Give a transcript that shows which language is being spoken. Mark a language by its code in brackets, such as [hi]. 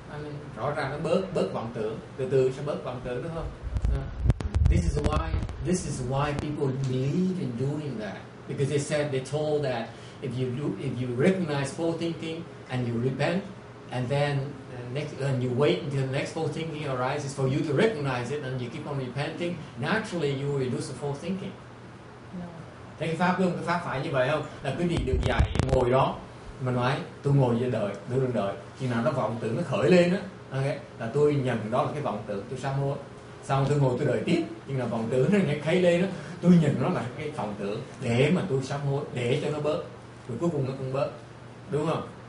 [en] I mean, [vi] rõ ràng nó bớt vọng tưởng. Từ từ sẽ bớt vọng tưởng, đúng không? [en] This is why people believe in doing that. Because they told that if you recognize false thinking and you repent, and then and you wait until the next false thinking arises for you to recognize it and you keep on repenting, naturally you will reduce the false thinking. No. [vi] Thế cái pháp phải như vậy không? Là quý vị được dạy ngồi đó mà nói tôi ngồi để đợi, tôi đừng đợi. Khi nào nó vọng tưởng nó khởi lên á, okay, là tôi nhận đó là cái vọng tưởng, tôi sám hối. Xong tôi ngồi tôi đợi tiếp, nhưng là vọng tưởng nó nhảy khay lên đó, tôi nhìn nó là cái vọng tưởng để mà tôi sám hối, để cho nó bớt, rồi cuối cùng nó cũng bớt, đúng không?